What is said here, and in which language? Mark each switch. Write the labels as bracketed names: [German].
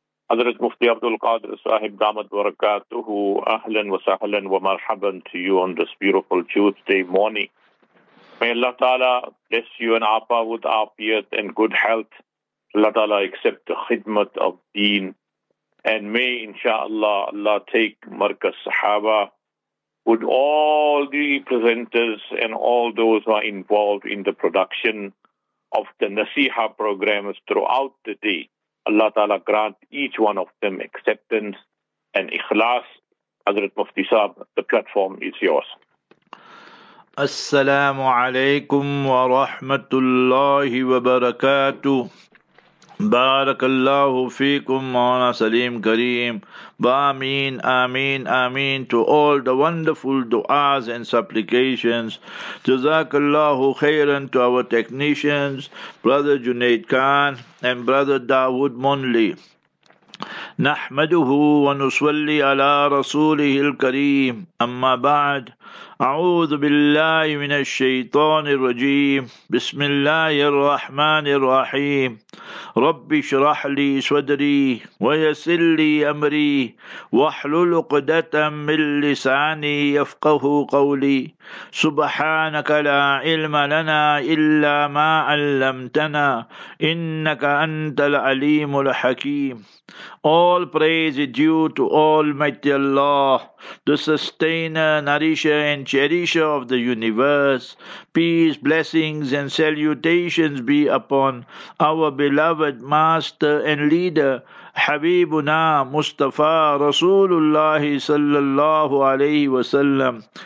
[Arabic] حضرت مفتي عبد القادر صاحب دامت بركاته، اهلا وسهلا ومرحبا [English] to you on this beautiful Tuesday morning. May Allah Ta'ala bless you and Apa with afiyat and good health. Allah Ta'ala accept the khidmat of deen. And may inshaAllah Allah take Markaz Sahaba with all the presenters and all those who are involved in the production of the Nasiha programs throughout the day. Allah Ta'ala grant each one of them acceptance and ikhlas. Hazrat Mufti Sahab, the platform is yours. Assalamu alaikum wa rahmatullahi wa barakatuh. [Arabic] بارك الله فيكم مولانا سليم كريم بامين آمين آمين [English] to all the wonderful du'as and supplications. [Arabic] جزاك الله خيرا [English] to our technicians brother Junaid Khan and brother Dawood Monley. [Arabic] نحمده ونصلي على رسوله الكريم أما بعد أعوذ بالله من الشيطان الرجيم بسم الله الرحمن الرحيم رب اشرح لي صدري ويسر لي أمري واحلل عقدة من لساني يفقه قولي سبحانك لا علم لنا إلا ما علمتنا إنك أنت العليم الحكيم. [English] All praise is due to Almighty Allah, the sustainer, nourisher and cherisher of the universe. Peace, blessings and salutations be upon our beloved master and leader, Habibuna Mustafa Rasulullah sallallahu alayhi wa sallam.